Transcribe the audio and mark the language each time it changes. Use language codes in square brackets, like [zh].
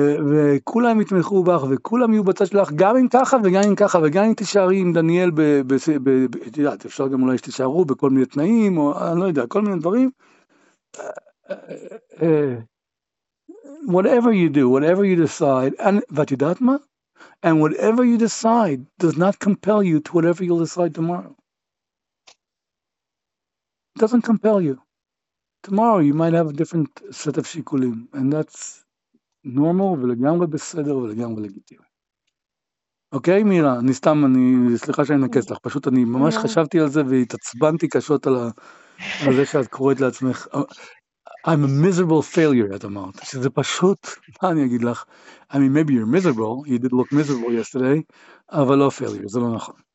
[he] וכולם יתמכו בך, וכולם יהיו בצד שלך, גם אם ככה וגם אם ככה, וגם אם תישארי עם דניאל, את יודעת, אפשר גם אולי שתישארו בכל מיני תנאים, או אני לא יודע, כל מיני דברים. [en] Whatever you do, whatever you decide, [he] ואת יודעת מה? [en] And whatever you decide does not compel you to whatever you'll decide tomorrow. Doesn't compel you. Tomorrow you might have a different set of shikulim, and that's normal. [he] ולגמרי בסדר, ולגמרי לגיטימי. אוקיי, מירה, אני סתם, אני, סליחה שאני נקס לך, פשוט אני ממש לא. חשבתי על זה והתעצבנתי קשות על, על זה שאת קוראת לעצמך. [en] I'm a miserable failure, [he] את אמרת, שזה פשוט, מה אני אגיד לך? [en] I mean, maybe you're miserable, you did look miserable yesterday, [he] אבל לא [en] failure, [he] זה לא נכון.